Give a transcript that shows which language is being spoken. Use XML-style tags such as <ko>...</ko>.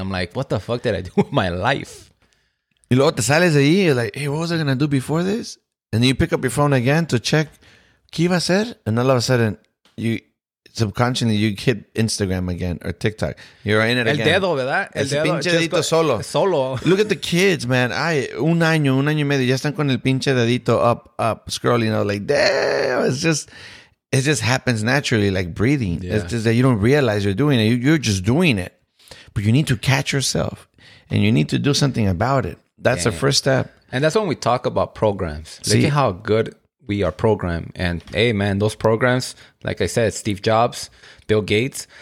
<en>I'm like, what the fuck did I do with my life? You know,</en> <es>te sales ahí,</es> <en>you're like, hey, what was I going to do before this? And you pick up your phone again to check,</en> <es>¿qué iba a hacer?</es> <en>And all of a sudden, you subconsciously, you hit Instagram again or TikTok. You're in it again.</en> <es>El dedo, ¿verdad? El pinche dedito solo. Solo.</es> <en>Look at the kids, man.</en> <es>Ay, un año y medio, ya están con el pinche dedito</es> <en>up, up, scrolling. Like, damn, it's just... It just happens naturally, like breathing. Yeah. It's just that you don't realize you're doing it. You're just doing it. But you need to catch yourself and you need to do something about it. That's the first step. And that's when we talk about programs. See, look at how good we are programmed. And hey, man, those programs, like I said, Steve Jobs, Bill Gates.</en>